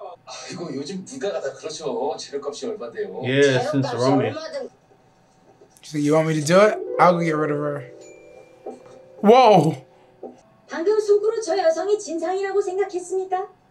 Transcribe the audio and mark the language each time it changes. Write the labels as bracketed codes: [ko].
[ko] 아이고 요즘 물가가 다 그렇죠. 재료값이 얼마대요. [en] Yeah, since Romy. You think you want me to do it? I'll go get rid of her. Whoa. [ko] 방금 속으로 저 여성이 진상이라고 생각했습니까?